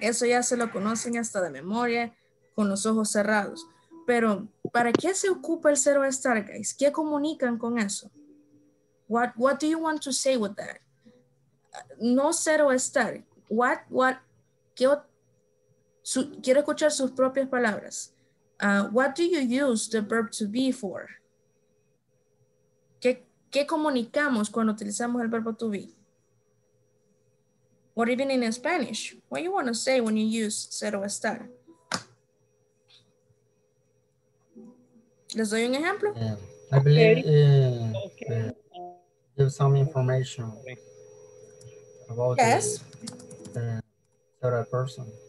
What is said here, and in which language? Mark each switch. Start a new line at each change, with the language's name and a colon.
Spanish: Eso ya se lo conocen hasta de memoria, con los ojos cerrados. Pero, ¿para qué se ocupa el ser o estar,
English: guys?
Spanish: ¿Qué comunican con eso?
English: What do you want to say with that?
Spanish: No ser o estar. Quiero escuchar sus propias palabras.
English: What do you use the verb to be for?
Spanish: ¿Qué comunicamos cuando utilizamos el verbo to be?
English: Or even in Spanish, what do you want to say when you use ser o estar?
Spanish: ¿Les doy un ejemplo?
English: Yeah. I believe give some information about the third person.